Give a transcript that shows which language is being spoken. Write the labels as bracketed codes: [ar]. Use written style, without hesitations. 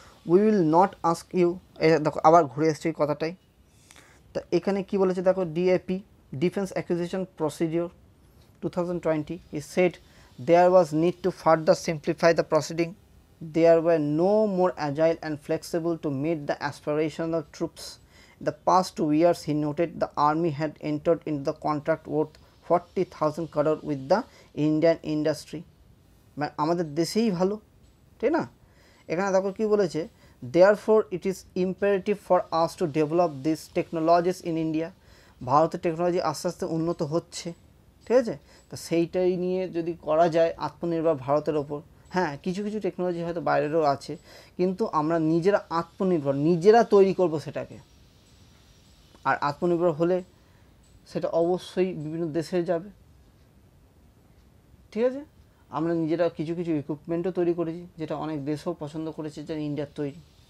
[en] We will not ask you, দেখো আবার ঘুরে এসছে এই কথাটাই, তা এখানে কী বলেছে, দেখো, DAP defence acquisition procedure 2020 is said there was need to further simplify the proceeding, there were no more agile and flexible to meet the aspirations of troops. In the past 2 years, he noted, the army had entered into the contract worth 40,000 crore with the Indian industry. আমাদের দেশেই ভালো, ঠিক না, এখানে দেখো কী বলেছে, therefore it is imperative for us to develop these technologies in India. [bn] ভারতের technology আস্তে আস্তে উন্নত হচ্ছে, ঠিক আছে, তা সেইটাই নিয়ে যদি করা যায় আত্মনির্ভর ভারতের ওপর, হ্যাঁ কিছু কিছু টেকনোলজি হয়তো বাইরেরও আছে, কিন্তু আমরা নিজেরা আত্মনির্ভর, নিজেরা তৈরি করব সেটাকে, আর আত্মনির্ভর হলে সেটা অবশ্যই বিভিন্ন দেশে যাবে, ঠিক আছে, আমরা নিজেরা কিছু কিছু ইকুইপমেন্টও তৈরি করেছি যেটা অনেক দেশও পছন্দ করেছে, যেটা ইন্ডিয়ার তৈরি,